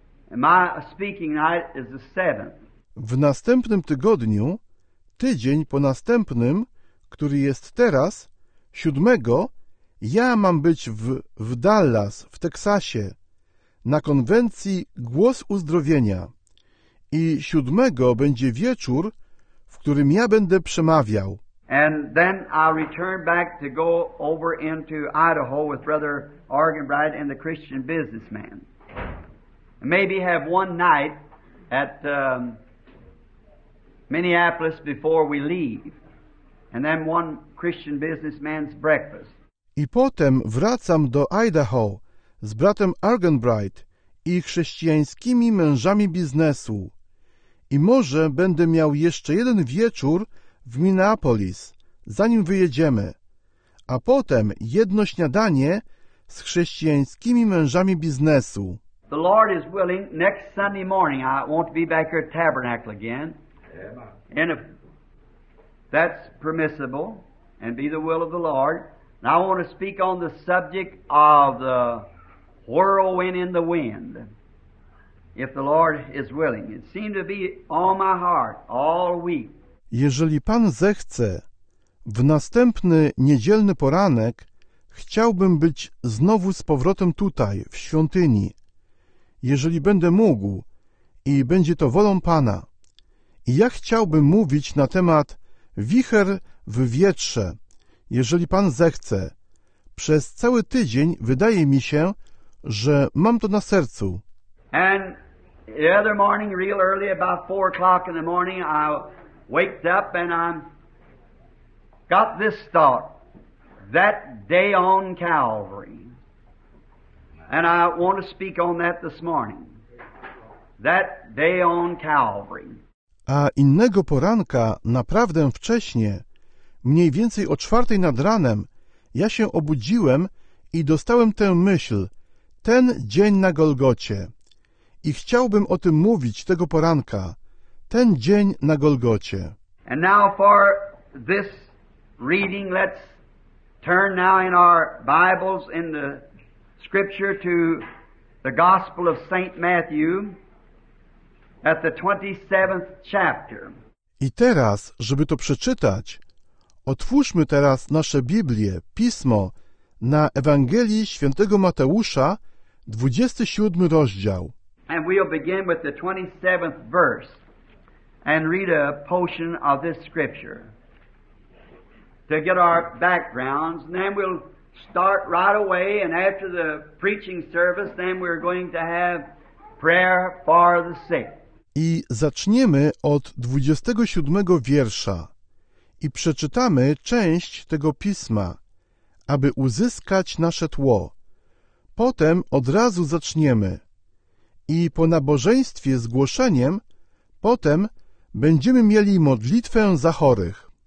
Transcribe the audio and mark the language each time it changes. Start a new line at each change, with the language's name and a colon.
English: And my speaking night is the 7th.
Polish: W następnym tygodniu, tydzień po następnym, który jest teraz, 7, ja mam być w Dallas, w Teksasie, na konwencji Głos Uzdrowienia. I 7 będzie wieczór, w którym ja będę przemawiał.
English: And then I'll return back to go over into Idaho with Brother Argenbright and the Christian businessman. Maybe have one night at Minneapolis before we leave. And then one Christian businessman's breakfast.
Polish: I potem wracam do Idaho z bratem Argenbright i chrześcijańskimi mężami biznesu. I może będę miał jeszcze jeden wieczór w Minneapolis, zanim wyjedziemy, a potem jedno śniadanie z chrześcijańskimi mężami biznesu.
English: The Lord is willing, next Sunday morning I want to be back here at Tabernacle again. And if that's permissible and be the will of the Lord, I want to speak on the subject of the whirlwind in the wind. If the Lord is willing. It seemed to be on my heart all week.
Polish: Jeżeli Pan zechce, w następny niedzielny poranek chciałbym być znowu z powrotem tutaj, w świątyni. Jeżeli będę mógł i będzie to wolą Pana. I ja chciałbym mówić na temat wicher w wietrze, jeżeli Pan zechce. Przez cały tydzień wydaje mi się, że mam to na sercu.
English: And the other morning, real early, about 4 o'clock in the morning, I waked up and I'm got this thought, that day on Calvary. And I want to speak on that this morning. That day on Calvary.
Polish: A innego poranka, naprawdę wcześnie, mniej więcej o 4 nad ranem, ja się obudziłem i dostałem tę myśl, ten dzień na Golgocie. I chciałbym o tym mówić tego poranka, ten dzień na Golgocie.
English: And now for this reading, let's turn now in our Bibles in the scripture to the Gospel of St. Matthew at the 27th chapter.
Polish: I teraz, żeby to przeczytać, otwórzmy teraz nasze Biblię, Pismo, na Ewangelii Świętego Mateusza, 27 rozdział.
English: And we'll begin with the 27th verse and read a portion of this scripture to get our backgrounds. And then we'll start right away, and after the preaching service, then we're going to have prayer for the sick.
Polish: I zaczniemy od 27 wiersza i przeczytamy część tego pisma, aby uzyskać nasze tło. Potem od razu zaczniemy. I po nabożeństwie z głoszeniem, potem będziemy mieli modlitwę za chorych.